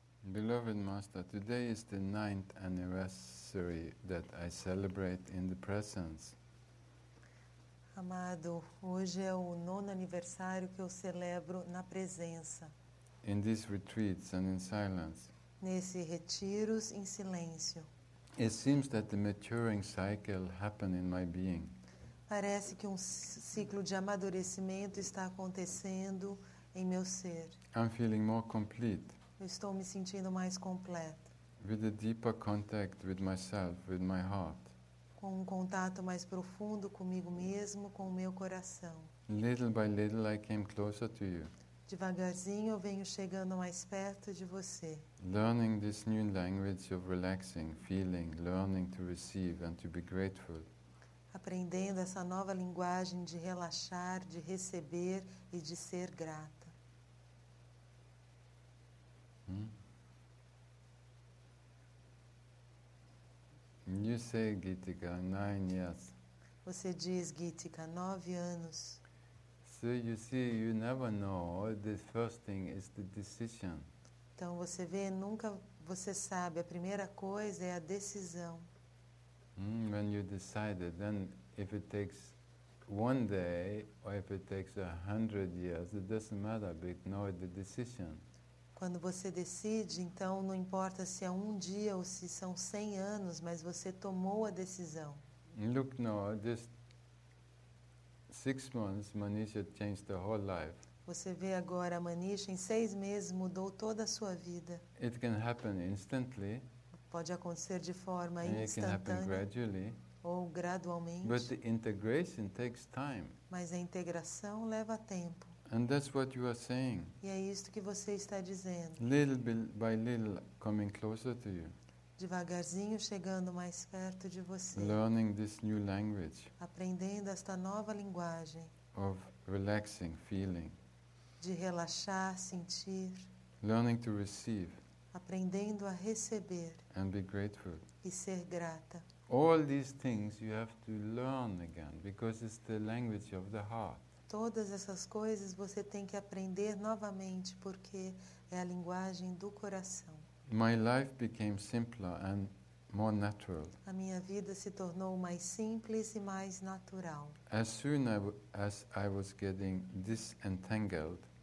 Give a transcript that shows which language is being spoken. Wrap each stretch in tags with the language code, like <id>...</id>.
<en>Beloved Master, today is the 9th anniversary that I celebrate in the presence.</en> <pt>Amado, hoje é o 9º aniversário que eu celebro na presença.</pt> <en>In these retreats and in silence.</en> <pt>Nesses retiros em silêncio.</pt> <en>It seems that the maturing cycle happened in my being.</en> <pt>Parece que ciclo de amadurecimento está acontecendo em meu ser.</pt> <en>I'm feeling more complete.</en> <pt>Eu estou me sentindo mais completo.</pt> <en>With a deeper contact with myself, with my heart.</en> <pt>Com contato mais profundo comigo mesmo, com o meu coração.</pt> <en>Little by little I came closer to you.</en> <pt>Devagarzinho eu venho chegando mais perto de você.</pt> <en>Learning this new language of relaxing, feeling, learning to receive and to be grateful.</en> <pt>Aprendendo essa nova linguagem de relaxar, de receber e de ser grata.</pt> <en>You say, Gitika, 9 years.</en> <pt>Você diz, Gitika, 9 anos.</pt> <en>So you see, you never know. The first thing is the decision.</en> <pt>Então você vê, nunca você sabe. A primeira coisa é a decisão.</pt> <en>When you decided, then if it takes one day or if it takes 100 years, it doesn't matter. But now it's the decision.</en> <pt>Quando você decide, então não importa se é um dia ou se são 100 anos, mas você tomou a decisão.</pt> <en>Look now, this 6 months, Manisha changed the whole life.</en> <pt>Você vê agora, Manisha, em 6 meses mudou toda a sua vida.</pt> <en>It can happen instantly.</en> <pt>Pode acontecer de forma instantânea.</pt> <en>It can happen gradually.</en> <pt>Ou gradualmente.</pt> <en>But the integration takes time.</en> <pt>Mas a integração leva tempo.</pt> <en>And that's what you are saying.</en> <pt>E é isto que você está dizendo.</pt> <en>Little by little, coming closer to you.</en> <pt>Devagarzinho chegando mais perto de você.</pt> <en>Learning this new language.</en> <pt>Aprendendo esta nova linguagem.</pt> <en>Of relaxing, feeling.</en> <pt>De relaxar, sentir.</pt> <en>Learning to receive.</en> <pt>Aprendendo a receber.</pt> <en>And be grateful.</en> <pt>E ser grata.</pt> <en>All these things you have to learn again, because it's the language of the heart.</en> <pt>Todas essas coisas você tem que aprender novamente, porque é a linguagem do coração.</pt> <en>My life became simpler and more natural.</en> <pt>A minha vida se tornou mais simples e mais natural.</pt> <en>As soon as I was getting disentangled,</en>